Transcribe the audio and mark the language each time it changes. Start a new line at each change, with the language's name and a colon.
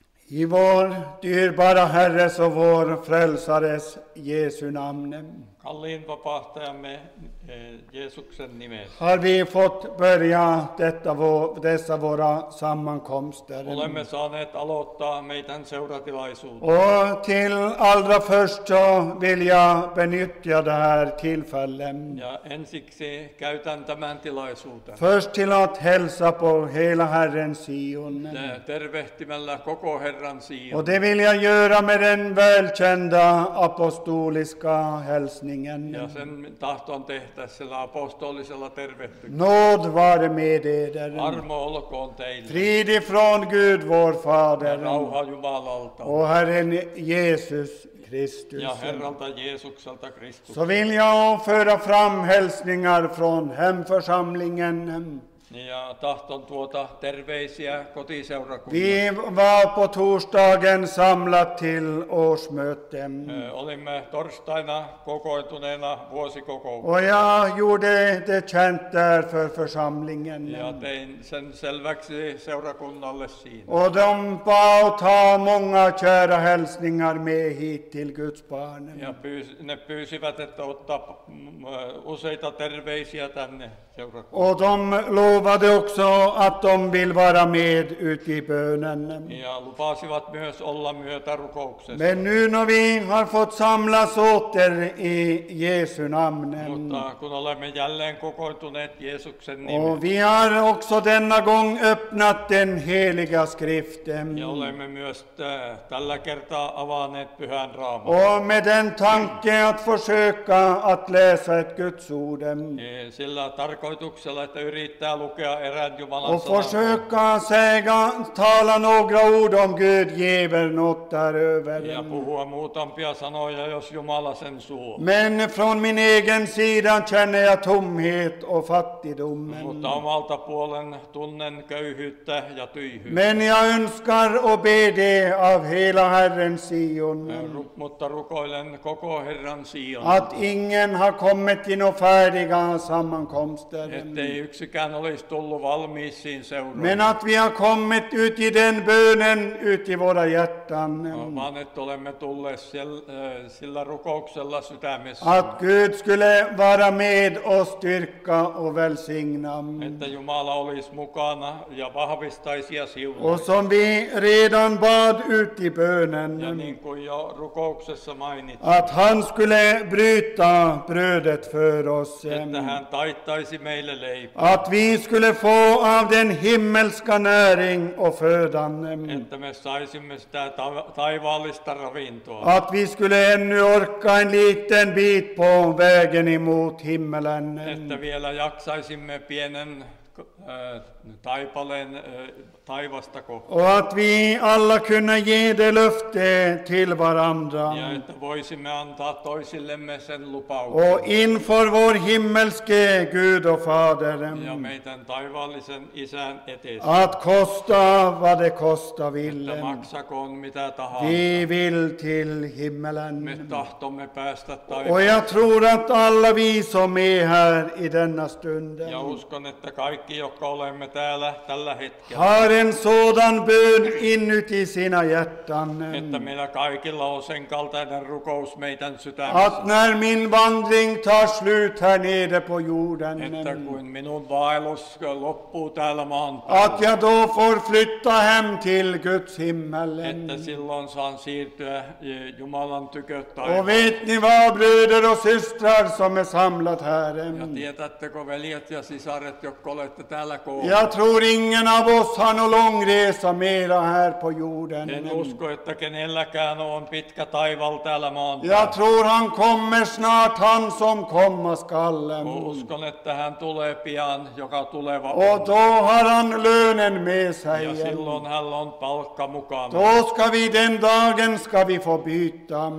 Swedish: I vår dyrbara Herres och vår frälsares Jesu namn.
Finnish: Kallin vapahtajamme Jesuksen nimessä.
Swedish: Har vi fått börja dessa våra sammankomster.
Finnish: Olemme saaneet aloittaa meidän seuratilaisuuden.
Swedish: Och till allra först så vill jag benyttja det här tillfället.
Finnish: Ja ensiksi käytän tämän tilaisuuden.
Swedish: Först till att hälsa på hela Herren Sion.
Finnish: Tervehtimällä koko Herran Sion.
Swedish: Och det vill jag göra med den välkända apostoliska hälsningen.
Finnish: Ja sen tahtoon tehdä sillä apostolisella tervehtyksellä.
Swedish: Nåd vare med eder.
Finnish: Armo olkoon teille.
Swedish: Frid ifrån Gud vår fader.
Finnish: Ja rauha Jumalalta.
Swedish: Och Herren Jesus Kristus.
Finnish: Ja Herralta Jeesukselta Kristus.
Swedish: Så vill jag föra fram hälsningar från hemförsamlingen.
Finnish: Ja tahton tuota terveisiä kotiseurakunnan.
Swedish: Vi var på torsdagen samlat till årsmöte.
Finnish: Olimme torstaina kokoontuneena vuosikokouksen.
Swedish: Och jag gjorde det känt där för församlingen.
Finnish: Ja tein sen selväksi seurakunnalle siinä.
Swedish: Och de bad ta många kära hälsningar med hit till Guds barn.
Finnish: Ja ne pyysivät, että ottaa useita terveisiä tänne.
Swedish: Och de lovade också att de vill vara med ute i bönen.
Finnish: Ja lupasivat myös olla myötä rukouksessa.
Swedish: Men nu när vi har fått samlas åter i Jesu namnen.
Finnish: Mutta kun olemme jälleen kokoontuneet Jeesuksen nimen.
Swedish: Och vi har också denna gång öppnat den heliga skriften.
Finnish: Ja olemme myös tällä kertaa avanneet pyhän raamatun.
Swedish: Och med den tanke att försöka att läsa ett Guds ord.
Finnish: Sillä tarkoituksella, että yrittää lukea erään Jumalan sanan.
Swedish: Och försöka säga, tala några ord om Gud ger något däröver.
Finnish: Ja puhua muutampia sanoja, jos Jumala sen suo.
Swedish: Men från min egen sida känner jag tomhet och fattigdom.
Finnish: Mutta omalta puolen tunnen köyhyyttä ja tyhjyyttä.
Swedish: Men jag önskar och bede av hela Herren Sion.
Finnish: Mutta rukoilen koko Herran Sion.
Swedish: Att ingen har kommit in och färdiga sammankomst.
Finnish: Ettei yksikään olisi tullut valmiisiin seuraan.
Swedish: Men att vi har kommit ut i den bönen ut i våra hjärtan.
Finnish: Vaan että olemme tulleet sillä rukouksella sydämessä.
Swedish: Att Gud skulle vara med och styrka och välsigna.
Finnish: Että Jumala olisi mukana ja vahvistaisi ja siunaisi.
Swedish: Och som vi redan bad ut i bönen.
Finnish: Ja niin kuin jo rukouksessa mainittiin.
Swedish: Att han skulle bryta brödet för oss.
Finnish: Että hän taittaa.
Swedish: Att vi skulle få av den himmelska näring och födan.
Finnish: Että me saisimme sitä taivaallista ravintoa.
Swedish: Att vi skulle ännu orka en liten bit på vägen emot himmelen.
Finnish: Että vielä jaksaisimme pienen taipaleen taivasta kohtaan.
Swedish: Och att vi alla kunna ge det löfte till varandra.
Finnish: Ja, että voisimme antaa toisillemme sen lupauksen.
Swedish: Och inför vår himmelske Gud och Fader.
Finnish: Ja, meidän taivaallisen isän eteen.
Swedish: Att kosta vad det kostar vill.
Finnish: Että maksakoon mitä tahansa.
Swedish: Vi vill till himmelen.
Finnish: Me tahtomme päästä taivaan.
Swedish: Och jag tror att alla vi som är här i denna stunden.
Finnish: Ja uskon, että kaikki, jotka olemme täällä tällä hetkellä.
Swedish: Har en sådan bön inuti sina hjärtan.
Finnish: Että meillä kaikilla on sen kaltainen rukous meidän sydämessä.
Swedish: Att när min vandring tar slut här nere på jorden.
Finnish: Että kun minun vaellus loppuu täällä maan.
Swedish: Att jag då får flytta hem till Guds himmelen.
Finnish: Että silloin saan siirtyä Jumalan tykö taivaan.
Swedish: Och vet ni vad bröder och systrar som är samlat här.
Finnish: Ja tiedättekö veljet ja sisaret, jotka olette täällä. täällä koolla.
Swedish: Jag tror ingen av oss har någon lång resa mera här på jorden.
Finnish: En usko, että kenelläkään on pitkä taival täällä maan.
Swedish: Jag tror han kommer snart, han som komma skallen.
Finnish: Och uskon, että hän tulee pian, joka tuleva.
Swedish: Och då har han lönen med sig.
Finnish: Ja silloin hän on palkka mukana.
Swedish: Då ska vi den dagen ska vi få byta.